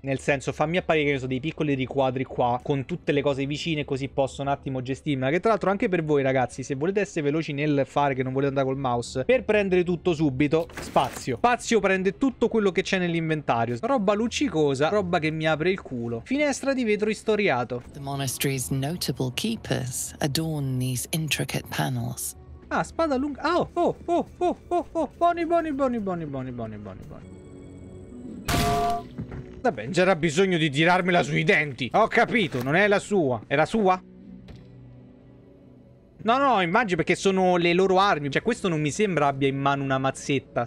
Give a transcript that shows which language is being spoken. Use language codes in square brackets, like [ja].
[it] Nel senso, fammi apparire che ne so, dei piccoli riquadri qua, con tutte le cose vicine, così posso un attimo gestirmela. Che tra l'altro anche per voi ragazzi, se volete essere veloci nel fare, che non volete andare col mouse, per prendere tutto subito, spazio. Spazio prende tutto quello che c'è nell'inventario. Roba luccicosa, roba che mi apre il culo. Finestra di vetro istoriato. [en] The monastery's notable keepers adorn these intricate panels. [it] Ah, spada lunga. Oh, oh, oh, oh, oh, oh. Buoni, buoni, buoni, buoni, buoni, buoni, buoni, buoni. Vabbè, c'era bisogno di tirarmela sui denti. Ho capito, non è la sua. È la sua? No, no, immagino perché sono le loro armi. Cioè, questo non mi sembra abbia in mano una mazzetta.